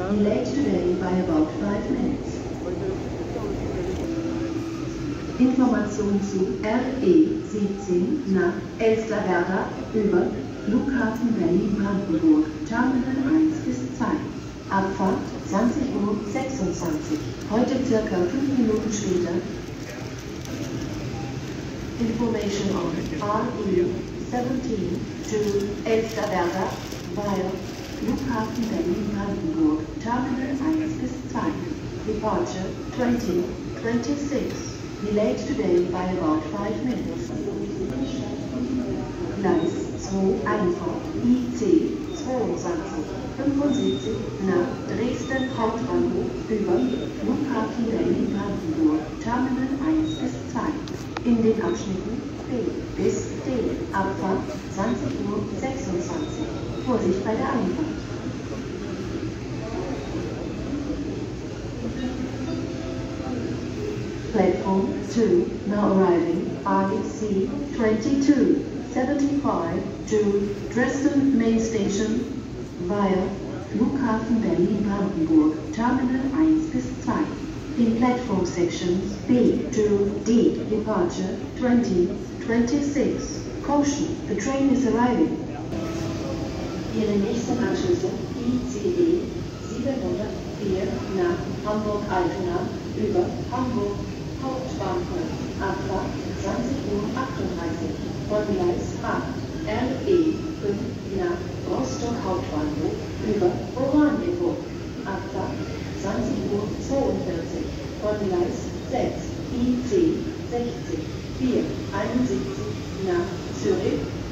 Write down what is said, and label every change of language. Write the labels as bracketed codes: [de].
[en] Delay today by about 5 minutes. [de] Information zu RE 17 nach Elsterwerda über Flughafen Berlin-Brandenburg, Terminal 1 bis 2. Abfahrt 20:26 Uhr, heute circa 5 Minuten später. [en] Information on RE 17 to Elsterwerda via Flughafen Berlin-Brandenburg, Terminal 1 bis 2. Departure 2026. Delayed today by about 5 minutes. [de] Gleis 2 Einfahrt IC 72 nach Dresden Hauptbahnhof über Flughafen Berlin-Brandenburg Terminal 1 bis 2 in den Abschnitten B bis D. Abfahrt 20:26 Uhr. Vorsicht bei der Einfahrt. [en] Platform 2, now arriving, IC 2275 to Dresden Main Station via Flughafen Berlin-Brandenburg, Terminal 1 bis 2. In platform sections B to D, departure 2026. Caution, the train is arriving. [de] Ihre nächsten Anschlüsse ICE 704 nach Hamburg-Altona über Hamburg. Hauptbahnhof, Abfahrt 20:38 Uhr, von Gleis 8, RE 5 nach Rostock Hauptbahnhof über Oranienburg, Abfahrt 20:42 Uhr, von Gleis 6, IC 60471 nach Zürich.